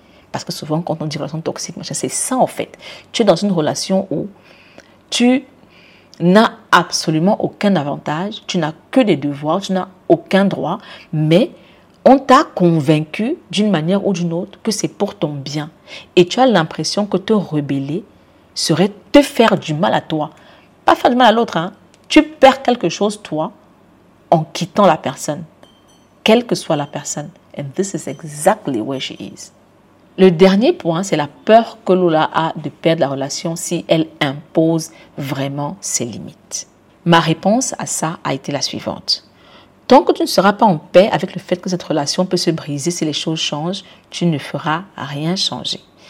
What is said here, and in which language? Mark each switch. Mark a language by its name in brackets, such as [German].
[French] Parce que souvent, quand on dit relation toxique, c'est ça en fait. Tu es dans une relation où tu n'as absolument aucun avantage, tu n'as que des devoirs, tu n'as aucun droit, mais on t'a convaincu d'une manière ou d'une autre que c'est pour ton bien. Et tu as l'impression que te rebeller serait te faire du mal à toi. Pas faire du mal à l'autre, hein. Tu perds quelque chose toi en quittant la personne, quelle que soit la personne. [English] And this is exactly where she is. [French] Le dernier point, c'est la peur que Lola a de perdre la relation si elle impose vraiment ses limites. Ma réponse à ça a été la suivante. Tant que tu ne seras pas en paix avec le fait que cette relation peut se briser si les choses changent, tu ne feras rien changer.